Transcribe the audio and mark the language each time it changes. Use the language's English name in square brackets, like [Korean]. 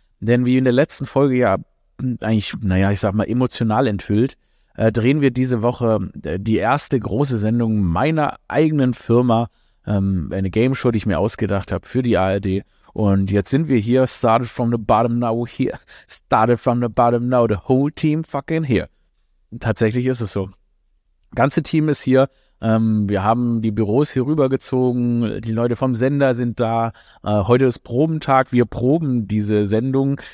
[German] Denn wie in der letzten Folge ja eigentlich, naja, ich sag mal emotional enthüllt, drehen wir diese Woche die erste große Sendung meiner eigenen Firma, eine Gameshow, die ich mir ausgedacht habe für die ARD. Und jetzt sind wir hier, [English] started from the bottom now here. Started from the bottom now, the whole team fucking here. [German] Tatsächlich ist es so. Ganze Team ist hier. Wir haben die Büros hier rübergezogen, die Leute vom Sender sind da, heute ist Probentag, wir proben diese Sendung.